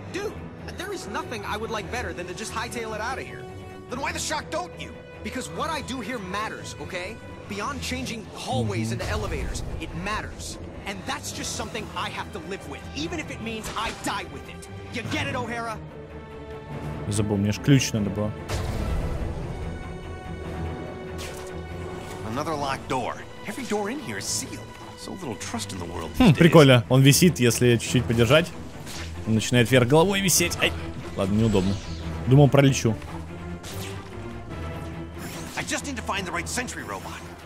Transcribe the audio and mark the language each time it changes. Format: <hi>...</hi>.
<en>Dude, there is nothing I would like better than to just hightail it out of here. Then why the shock, don't you? Because what I do here matters, okay? Beyond changing hallways into elevators, it matters. And that's just something I have to live with, even if it means I die with it. You get it, O'Hara?</en> <ru>Забыл, мне ж ключ надо было.</ru> <en>Another locked door. Every door in here is sealed. So little trust in the world.</en> <ru>Хм, прикольно. Он висит, если чуть-чуть подержать. Он начинает вверх головой висеть. Ай. Ладно, неудобно. Думал, пролечу.</ru> <en>I just need to find the right sentry robot.</en>